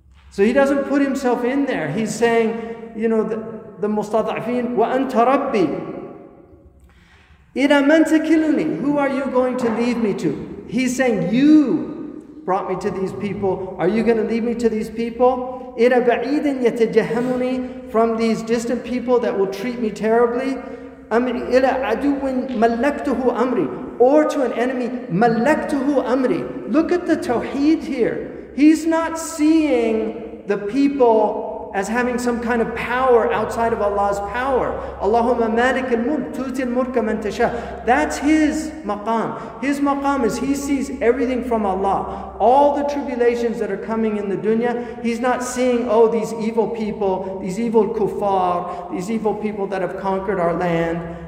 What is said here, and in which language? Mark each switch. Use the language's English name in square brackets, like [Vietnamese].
[English] So he doesn't put himself in there. He's saying, you know, the mustada'afin, [Arabic] wa anta rabbi. Ila man takilni, [English] who are you going to leave me to? He's saying, you brought me to these people. Are you going to leave me to these people? [Arabic] إِلَى بَعِيدٍ يَتَجَهَمُنِي, [English] from these distant people that will treat me terribly. [Arabic] إِلَى عَدُوٍ مَلَّكْتُهُ أَمْرِي, [English] or to an enemy, [Arabic] مَلَّكْتُهُ أَمْرِي. [English] Look at the tawheed here. He's not seeing the people as having some kind of power outside of Allah's power. [Arabic] Allahumma malik al-mulk, tu'ti al-mulka man tasha. [English] That's his maqam. His maqam is he sees everything from Allah. All the tribulations that are coming in the dunya, he's not seeing, oh, these evil people, these evil kuffar, these evil people that have conquered our land.